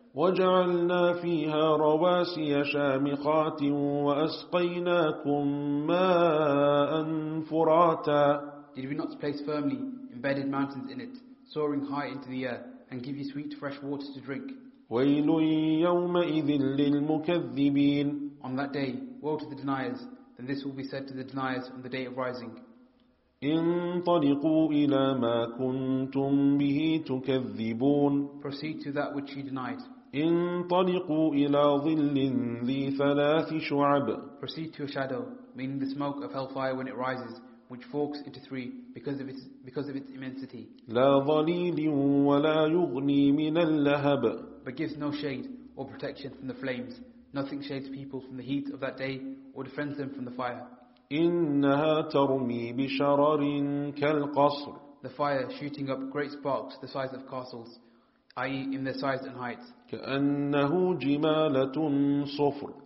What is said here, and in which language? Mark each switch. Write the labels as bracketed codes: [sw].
[ar] وَجَعَلْنَا فِيهَا رَوَاسِيَ شَامِخَاتٍ وَأَسْقَيْنَاكُمْ مَاءً فُرَاتًا [en] Did we not place firmly embedded mountains in it, soaring high into the air, and give you sweet fresh water to drink? [ar] وَيْلٌ يَوْمَئِذٍ لِلْمُكَذِّبِينَ [en] On that day, woe to the deniers, then this will be said to the deniers on the day of rising. [ar] انطلقوا إلى ما كنتم به تكذبون [en] Proceed to that which he denied. [ar] انطلقوا إلى ظل ذي ثلاث شعب [en] Proceed to a shadow, meaning the smoke of hellfire when it rises, which forks into three because of its immensity. [ar] لا ظليل ولا يغني من اللهب [en] But gives no shade or protection from the flames. Nothing shades people from the heat of that day or defends them from the fire. [ar] إنها ترمي بشرر كالقصر [en] The fire shooting up great sparks the size of castles, i.e. in their size and height. [ar] كأنه جمالة صفر